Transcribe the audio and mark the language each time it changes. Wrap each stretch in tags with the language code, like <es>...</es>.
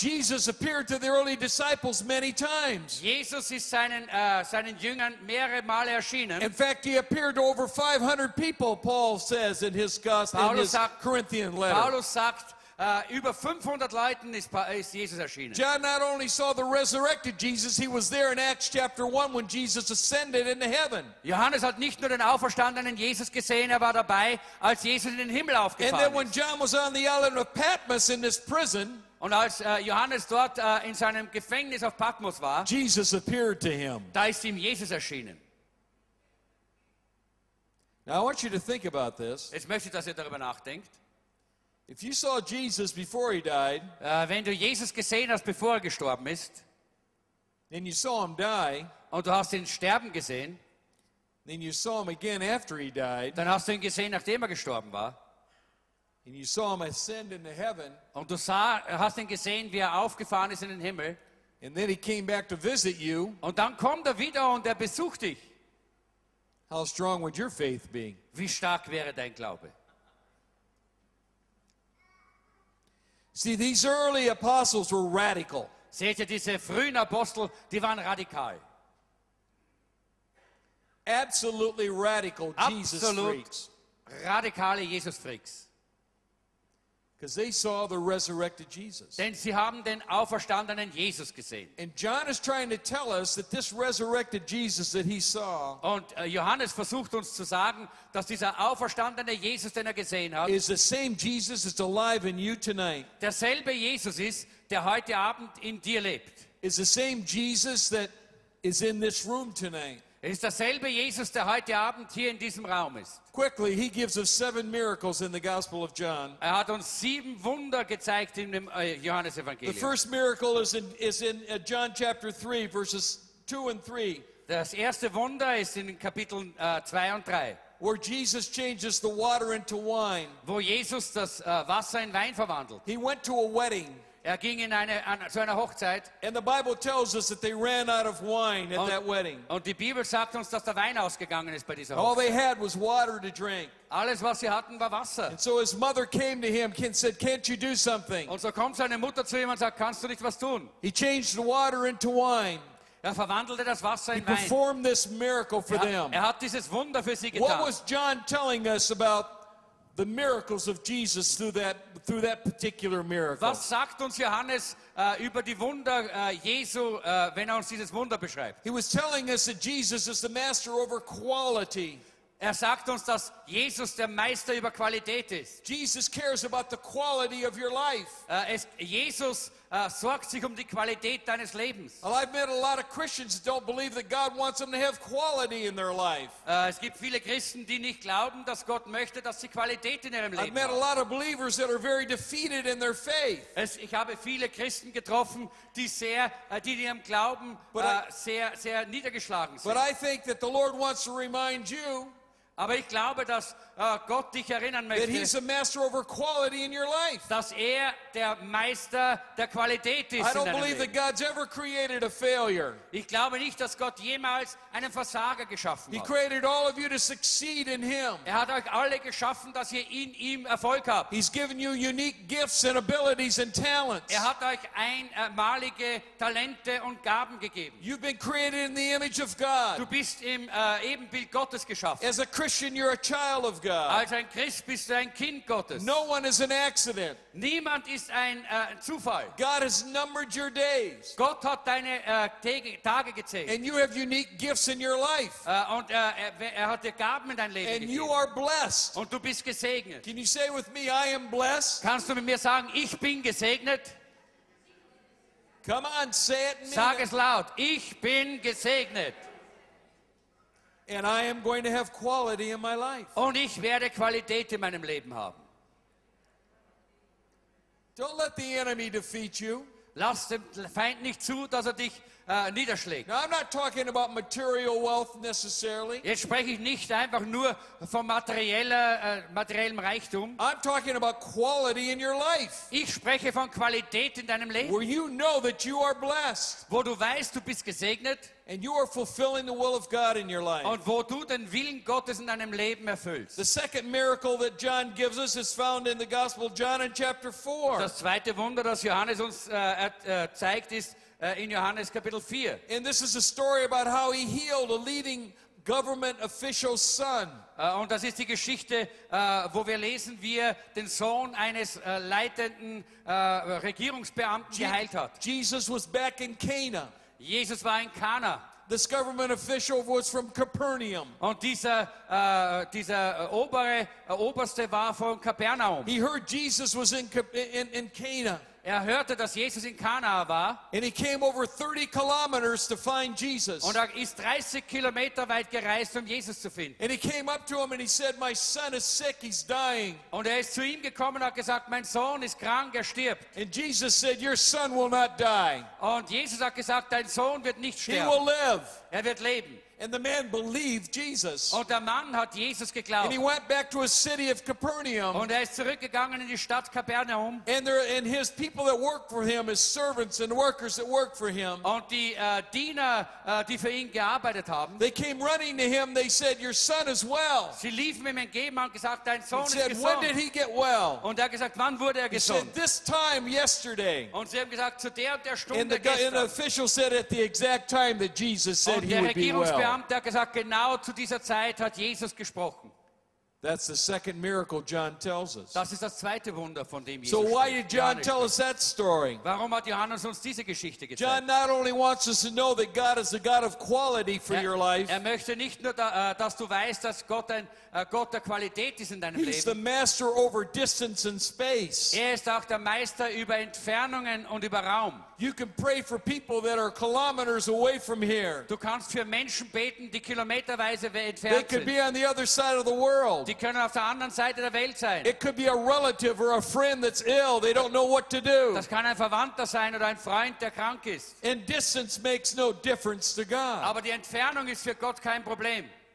<en>Jesus appeared to the early disciples many times.</en> <de>Jesus ist seinen Jüngern mehrere Male erschienen.</de> <en>In fact, he appeared to over 500 people, Paul says in his Corinthian letter.</en> <de>Paulus sagt, über 500 Leuten ist Jesus erschienen.</de> <en>John not only saw the resurrected Jesus, he was there in Acts chapter 1 when Jesus ascended into heaven.</en> <de>Johannes hat nicht nur den auferstandenen Jesus gesehen, er war dabei, als Jesus in den Himmel aufgefahren ist.</de> <en>And then</en> <de>ist.</de> <en>When John was on the island of Patmos in this prison,</en> <de>und als Johannes dort in seinem Gefängnis auf Patmos war,</de> <en>Jesus appeared to him.</en> <de>Da ist ihm Jesus erschienen.</de> <en>Now I want you to think about this.</en> <de>Jetzt möchte ich, dass ihr darüber nachdenkt.</de> <en>If you saw Jesus before he died,</en> <de>wenn du Jesus gesehen hast, bevor er gestorben ist,</de> <en>then you saw him die,</en> <de>und du hast ihn sterben gesehen,</de> <en>then you saw him again after he died,</en> <de>dann hast du ihn gesehen, nachdem er gestorben war,</de> <en>and you saw him ascend into heaven,</en> <de>und du hast ihn gesehen, wie er aufgefahren ist in den Himmel,</de> <en>and then he came back to visit you,</en> <de>und dann kommt er wieder und er besucht dich.</de> <en>How strong would your faith be?</en> <de>Wie stark wäre dein Glaube?</de> <en>See, these early apostles were radical.</en> <de>Seht ihr, diese frühen Apostel, die waren radikal.</de> <en>Absolutely radical Jesus freaks.</en> <de>Radikale Jesus freaks.</de> <en>Because they saw the resurrected Jesus.</en> <de>Denn sie haben den auferstandenen Jesus gesehen.</de> <en>And John is trying to tell us that this resurrected Jesus that he saw.</en> <de>Und Johannes versucht uns zu sagen, dass dieser auferstandene Jesus, den er gesehen hat,</de> <en>is the same Jesus that's alive in you tonight.</en> <de>Derselbe Jesus ist, der heute Abend in dir lebt.</de> <en>Is the same Jesus that is in this room tonight.</en> <de>Ist derselbe Jesus, der heute Abend hier in diesem Raum ist.</de> <en>Quickly, he gives us seven miracles in the Gospel of John.</en> <de>Er hat uns sieben Wunder gezeigt in dem Johannesevangelium.</de> <en>The first miracle is in John chapter 3, verses 2 and 3.</en> <de>Das erste Wunder ist in Kapiteln 2 und 3.</de> <en>Where Jesus changes the water into wine.</en> <de>Wo Jesus das Wasser in Wein verwandelt.</de> <en>He went to a wedding.</en> <de>Er ging in zu einer Hochzeit.</de> <en>And the Bible tells us that they ran out of wine at that wedding.</en> <de>Und die Bibel sagt uns, dass der Wein ausgegangen ist bei dieser Hochzeit.</de> <en>All they had was water to drink.</en> <de>Alles, was sie hatten, war Wasser.</de> <en>And so his mother came to him and said, "Can't you do something?"</en> <de>Und so kommt seine Mutter zu ihm und sagt, "Kannst du nicht was tun?"</de> <en>He changed the water into wine.</en> <de>Er verwandelte das Wasser in Wein.</de> <en>He performed this miracle for them.</en> <de>Er hat dieses Wunder für sie getan.</de> <en>What was John telling us about the miracles of Jesus through that particular miracle?</en> <de>Was sagt uns Johannes über die Wunder Jesu, wenn uns dieses Wunder beschreibt?</de> <en>He was telling us that Jesus is the master over quality.</en> <de>Sagt uns, dass Jesus der Meister über Qualität ist.</de> <en>Jesus cares about the quality of your life.</en> <de>Jesus sorgt sich die Qualität deines Lebens.</de> <en>Well, I've met a lot of Christians that don't believe that God wants them to have quality in their life.</en> <de>Es gibt viele Christen, die nicht glauben, dass Gott möchte, dass sie Qualität in ihrem Leben.</de> <en>I've met a lot of believers that are very defeated in their faith.</en> <de>Ich habe viele Christen getroffen, die in ihrem Glauben sehr sehr niedergeschlagen sind.</de> <en>But I think that the Lord wants to remind you.</en> <de>Aber ich glaube, dass Gott dich erinnern möchte,</de> <en>that he's a master over quality in your life.</en> <de>Dass der Meister der Qualität ist.</de> <en>I don't believe that God's ever created a failure.</en> <de>Ich glaube nicht, dass Gott jemals einen Versager geschaffen hat.</de> <en>He created all of you to succeed in him.</en> <de>Hat euch alle geschaffen, dass ihr in ihm Erfolg habt.</de> <en>He's given you unique gifts and abilities and talents.</en> <de>Hat euch einmalige Talente und Gaben gegeben.</de> <en>You've been created in the image of God.</en> <de>Du bist im Ebenbild Gottes geschaffen.</de> <en>As a Christian, you're a child of God.</en> <de>Als ein Christ bist du ein Kind Gottes.</de> <en>No one is an accident.</en> <de>Niemand ist ein Zufall.</de> <en>God has numbered your days.</en> <de>Gott hat deine Tage gezählt.</de> <en>And you have unique gifts in your life.</en> <de>Und hat dir Gaben in dein Leben gegeben.</de> <en>And you are blessed.</en> <de>Und du bist gesegnet.</de> <en>Can you say with me, I am blessed?</en> <de>Kannst du mit mir sagen, ich bin gesegnet?</de> <en>Come on, say it.</en> <de>Sag es laut. Ich bin gesegnet.</de> <en>And I am going to have quality in my life.</en> <de>Und ich werde Qualität in meinem Leben haben.</de> <en>Don't let the enemy defeat you.</en> <de>Lass dem Feind nicht zu, dass dich niederschlägt.</de> <en>Now, I'm not talking about material wealth necessarily.</en> <de>Jetzt spreche ich nicht einfach nur von materiellem Reichtum.</de> <en>I'm talking about quality in your life.</en> <de>Ich spreche von Qualität in deinem Leben.</de> <en>Where you know that you are blessed.</en> <de>Wo du weißt, du bist gesegnet.</de> <en>And you are fulfilling the will of God in your life.</en> <de>Und wo du den Willen Gottes in deinem Leben erfüllst.</de> <en>The second miracle that John gives us is found in the Gospel of John in chapter 4.</en> <de>Das zweite Wunder, das Johannes uns zeigt, ist in Johannes Kapitel 4.</de> <en>And this is a story about how he healed a leading government official's son.</en> <de>Und das ist die Geschichte, wo wir lesen, wie er den Sohn eines leitenden Regierungsbeamten geheilt hat.</de> <en>Jesus was back in Cana.</en> <de>Jesus war in Cana.</de> <en>This government official was from Capernaum.</en> <de>Und dieser obere oberste war von Kapernaum.</de> <en>He heard Jesus was in Cana.</en> <de>Er hörte, dass Jesus in Kana war.</de> <en>And he came over 30 kilometers to find Jesus.</en> <de>Und er ist 30 Kilometer weit gereist, um Jesus zu finden.</de> <en>And he came up to him and he said, "My son is sick. He's dying."</en> <de>Und er ist zu ihm gekommen und hat gesagt, mein Sohn ist krank, er stirbt.</de> <en>And Jesus said, "Your son will not die."</en> <de>Und Jesus hat gesagt, dein Sohn wird nicht sterben.</de> <en>He will live.</en> <de>Er wird leben.</de> <en>And the man believed Jesus.</en> <de>Und der Mann hat Jesus geglaubt.</de> <en>And he went back to a city of Capernaum.</en> <de>Und er ist zurückgegangen in die Stadt Kapernaum.</de> <en>And his people that worked for him, his servants and workers that worked for him.</en> <de>Und die Diener, die für ihn gearbeitet haben.</de> <en>They came running to him. They said, "Your son is well."</en> <de>Sie liefen ihm entgegen und gesagt, dein Sohn ist gesund.</de> <en>He said, "When did he get well?"</en> <de>Und er gesagt, wann wurde er gesund?</de> <en>He said, "This time yesterday."</en> <de>Und sie haben gesagt, zu der und der Stunde</de> <en>and the,</en> <de>gestern.</de> <en>And the official said at the exact time that Jesus said he would be well.</en> <de>Der Beamte hat gesagt, genau zu dieser Zeit hat Jesus gesprochen.</de> <en>That's the second miracle John tells us.</en> <de>Das ist das zweite Wunder, von dem Jesus spricht.</de> <en>So why did John tell us that story?</en> <de>Warum hat Johannes uns diese Geschichte gezeigt?</de> <en>John not only wants us to know that God is a God of quality for your life.</en> <de>Er möchte nicht nur, dass du weißt, dass Gott ein Gott der Qualität ist in deinem</de> <en>He's</en> <de>Leben.</de> <en>He's the master over distance and space.</en> <de>Er ist auch der Meister über Entfernungen und über Raum.</de> <en>You can pray for people that are kilometers away from here.</en> <de>Du kannst für Menschen beten, die kilometerweise entfernt sind.</de> <en>They could be on the other side of the world.</en> <de>Die können auf der anderen Seite der Welt sein.</de> <en>It could be a relative or a friend that's ill. They don't know what to do.</en> <de>Das kann ein Verwandter sein oder ein Freund, der krank ist.</de> <en>And distance makes no difference to God.</en> <de>Aber die Entfernung ist für Gott kein Problem.</de>